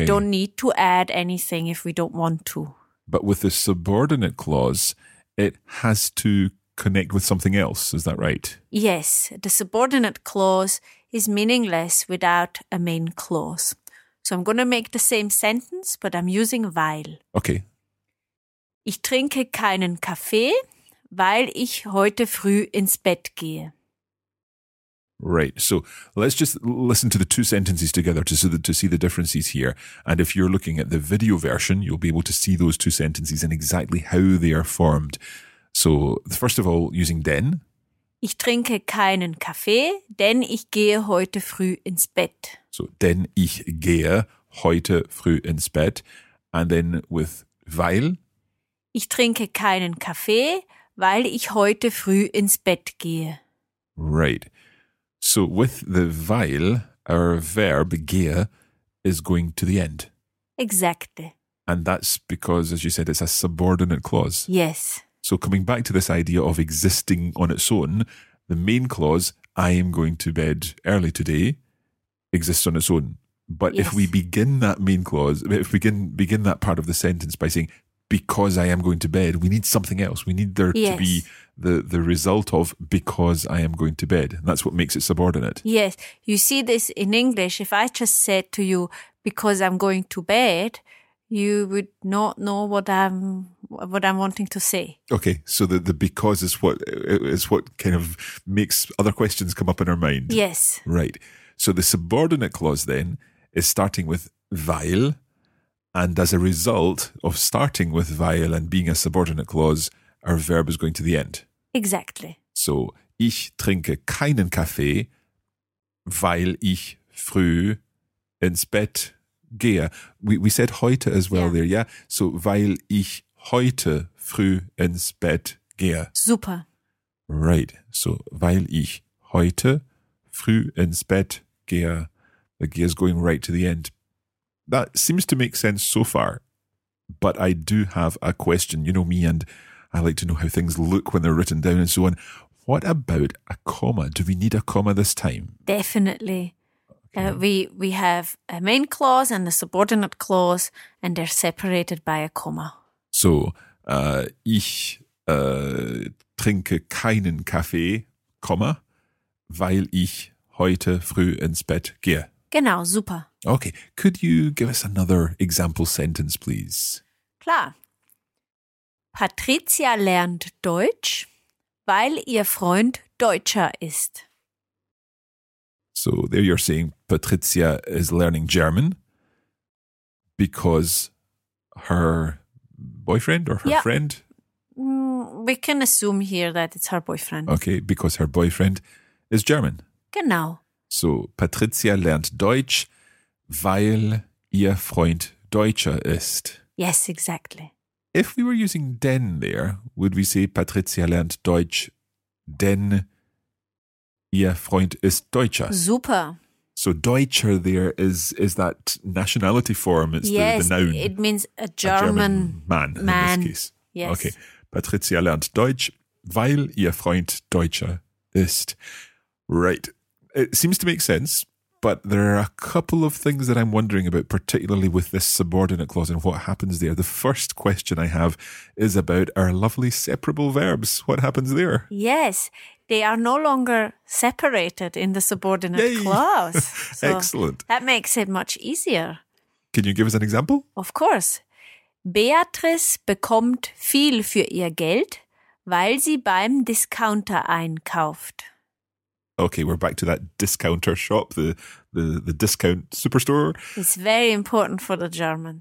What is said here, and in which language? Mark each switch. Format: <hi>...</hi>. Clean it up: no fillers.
<en>We don't need to add anything if we don't want to. But with the subordinate clause, it has to connect with something else, is that right? Yes, the subordinate clause is meaningless without a main clause. So I'm going to make the same sentence, but I'm using weil. Okay.</en> <de>Ich trinke keinen Kaffee, weil ich heute früh ins Bett gehe.</de> <en>Right, so let's just listen to the two sentences together to see the differences here. And if you're looking at the video version, you'll be able to see those two sentences and exactly how they are formed. So, first of all, using denn.</en> <de>Ich trinke keinen Kaffee, denn ich gehe heute früh ins Bett. So, denn ich gehe heute früh ins Bett.</de> <en>And then with weil.</en> <de>Ich trinke keinen Kaffee, weil ich heute früh ins Bett gehe.</de> <en>Right. So, with the weil, our verb gehe is going to the end. Exactly. And that's because, as you said, it's a subordinate clause. Yes. So coming back to this idea of existing on its own, the main clause, I am going to bed early today, exists on its own. But yes. If we begin that main clause, if we begin that part of the sentence by saying, because I am going to bed, we need something else. We need there to be the result of because I am going to bed. And that's what makes it subordinate. Yes. You see this in English. If I just said to you, because I'm going to bed, you would not know what I'm wanting to say. Okay. So the because is what kind of makes other questions come up in our mind. Yes. Right. So the subordinate clause then is starting with weil. And as a result of starting with weil and being a subordinate clause, our verb is going to the end. Exactly.</en> <de>So, ich trinke keinen Kaffee, weil ich früh ins Bett gehe.</de> <en>We said heute as well there, yeah?</en> <de>So, weil ich heute früh ins Bett gehe.</de> <en>Super. Right.</en> <de>So, weil ich heute früh ins Bett gehe.</de> <en>The gehe is going right to the end. That seems to make sense so far, but I do have a question. You know me, and I like to know how things look when they're written down and so on. What about a comma? Do we need a comma this time? Definitely. Okay. We have a main clause and a subordinate clause, and they're separated by a comma.</en> <de>So, ich trinke keinen Kaffee, comma, weil ich heute früh ins Bett gehe. Genau, super.</de> <en>Okay, could you give us another example sentence, please?</en> <de>Klar. Patricia lernt Deutsch, weil ihr Freund Deutscher ist.</de> <en>So there you're saying Patricia is learning German because her boyfriend or her friend? We can assume here that it's her boyfriend. Okay, because her boyfriend is German.</en> <de>Genau. So, Patricia lernt Deutsch, weil ihr Freund Deutscher ist.</de> <en>Yes, exactly. If we were using denn there, would we say</en> <de>Patricia lernt Deutsch, denn ihr Freund ist Deutscher?</de> <en>Super. So, Deutscher there is that nationality form. It's the noun. It means a German man. In this case. Yes. Okay.</en> <de>Patricia lernt Deutsch, weil ihr Freund Deutscher ist.</de> <en>Right. It seems to make sense, but there are a couple of things that I'm wondering about, particularly with this subordinate clause and what happens there. The first question I have is about our lovely separable verbs. What happens there? Yes, they are no longer separated in the subordinate clause. So excellent. That makes it much easier. Can you give us an example? Of course.</en> <de>Beatrice bekommt viel für ihr Geld, weil sie beim Discounter einkauft.</de> <en>Okay, we're back to that discounter shop, the discount superstore. It's very important for the Germans.</en>